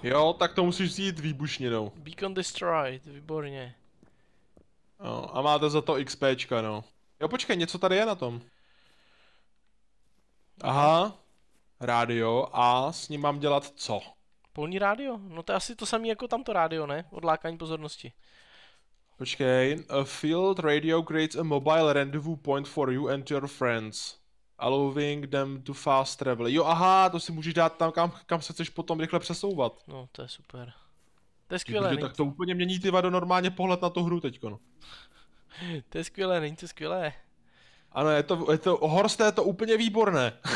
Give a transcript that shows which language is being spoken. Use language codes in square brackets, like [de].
[cs] Jo, tak to musíš vzít výbušninou. [en] Beacon destroyed, [cs] výborně. Jo, a máte za to XPčka, no. Jo, počkej, něco tady je na tom. Aha, rádio a s ním mám dělat co? Polní rádio, no to je asi to samé jako tamto rádio, ne? Odlákání pozornosti. Počkej, [en] a field radio creates a mobile rendezvous point for you and your friends, allowing them to fast travel. [cs] Jo, aha, to si můžeš dát tam, kam se chceš potom rychle přesouvat. No, to je super. To je skvělé, tak to úplně mění ty vado normálně pohled na tu hru teďko, no. To je skvělé, není to skvělé. Ano, je to, Horst, je to úplně výborné.